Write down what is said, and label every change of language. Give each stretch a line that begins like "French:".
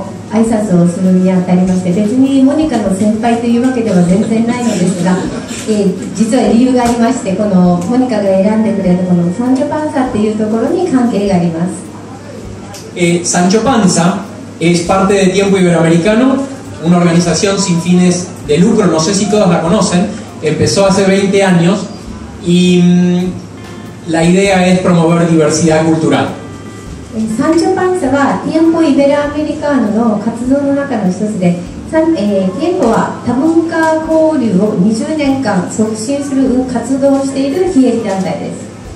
Japanese: 挨拶をするにあたりまして、別にモニカの先輩というわけでは全然ないのですが、実は理由がありまして、このモニカが選んでくれたこのサンチョパンサというところに関係があります。
Spanish: サンチョパンサ es parte de Tiempo Iberoamericano, una organización sin fines de lucro, no sé si todos la conocen, empezó hace 20 años y la idea es promover diversidad cultural.
Japanese: サンチョパンサはティエンポイベロアメリカーノの活動の中の一つで、ティエンポは多文化交流を20年間促進する活動をしている非営利団体です。